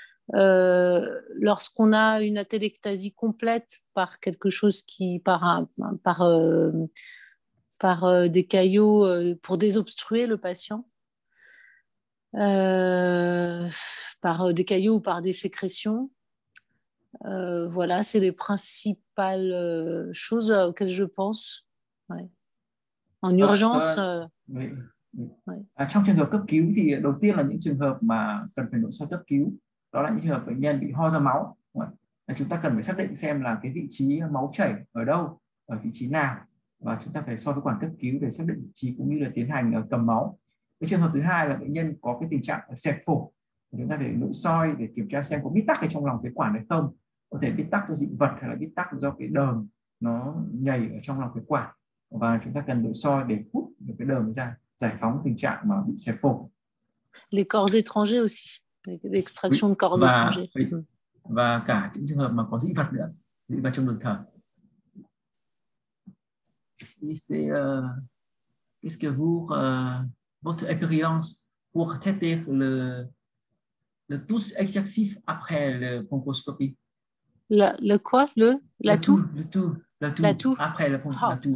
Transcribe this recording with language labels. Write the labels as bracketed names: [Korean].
[French] Lorsqu'on a une atélectasie complète par quelque chose qui par des caillots pour désobstruer le patient, par des caillots ou par des sécrétions, voilà, c'est les principales choses auxquelles je pense. Ouais. En urgence. Oui. [Vietnamese] Trong trường hợp cấp cứu thì đầu tiên là những trường hợp mà cần phải nội soi cấp cứu. Đó là những trường hợp bệnh nhân bị ho ra máu. Chúng ta cần phải xác định xem là cái vị trí máu chảy ở đâu, ở vị trí nào. Và chúng ta phải soi với quản cấp cứu để xác định vị trí cũng như là tiến hành cầm máu. Cái trường hợp thứ hai là bệnh nhân có cái tình trạng xẹp phổi. Chúng ta phải nội soi để kiểm tra xem có bít tắc ở trong lòng phế quản hay không. Có thể bít tắc do dị vật hay là bít tắc do cái đờm nó nhầy ở trong lòng phế quản. Và chúng ta cần nội soi để hút được cái đờm ra, giải phóng tình trạng mà bị xẹp phổi. [French] Les corps étrangers aussi. L'extraction de corps étrangers. [Vietnamese] Và cả những trường hợp mà có dị vật nữa, dị vật trong đường thở. [French] Est-ce que vous, votre expérience pour traiter le tous excessif après la bronchoscopie? Le quoi? La toux? La toux. Après la bronchoscopie.